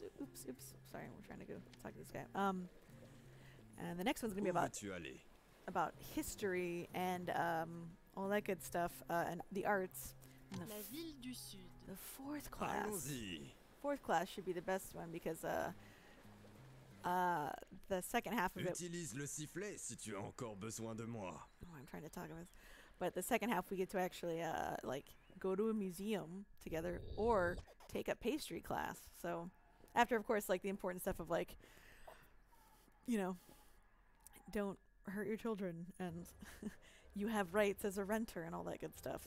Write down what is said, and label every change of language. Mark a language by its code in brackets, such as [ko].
[en] Oops, sorry, we're trying to go talk to this guy. And the next one's gonna be about history and all that good stuff, and the arts, and [fr] La ville du sud. [en] The fourth class. [fr] Allons-y. [en] Fourth class should be the best one because the second half of it... [fr] Utilise le sifflet si tu as encore besoin de moi. [en] Oh, I'm trying to talk about this. But the second half, we get to actually, like, go to a museum together or take a pastry class. So, after, of course, like, the important stuff of, like, you know, don't hurt your children and you have rights as a renter and all that good stuff.